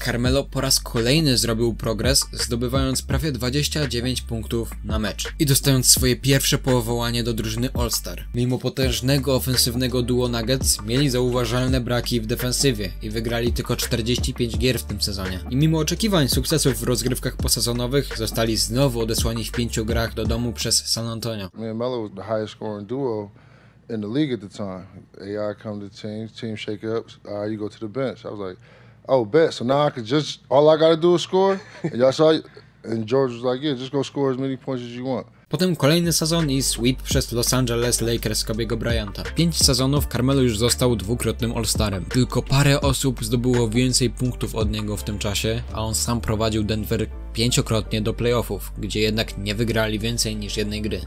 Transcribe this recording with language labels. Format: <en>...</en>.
<pl>Carmelo po raz kolejny zrobił progres, zdobywając prawie 29 punktów na mecz i dostając swoje pierwsze powołanie do drużyny All-Star. Mimo potężnego ofensywnego duo Nuggets, mieli zauważalne braki w defensywie i wygrali tylko 45 gier w tym sezonie. I mimo oczekiwań sukcesów w rozgrywkach posezonowych, zostali znowu odesłani w 5 grach do domu przez San Antonio.</pl> <en>Melo was the highest scoring duo in the league at the time. AI come to team shake up, you go to the bench. I was like, oh, bet. So now I could just, all I gotta do is score. And y'all saw, and George was like, yeah, just go score as many points as you want.</en> <pl>Potem kolejny sezon i sweep przez Los Angeles Lakers Kobe'ego Bryanta. 5 sezonów Carmelo już został dwukrotnym All-Starem. Tylko parę osób zdobyło więcej punktów od niego w tym czasie, a on sam prowadził Denver 5-krotnie do playoffów, gdzie jednak nie wygrali więcej niż jednej gry.</pl>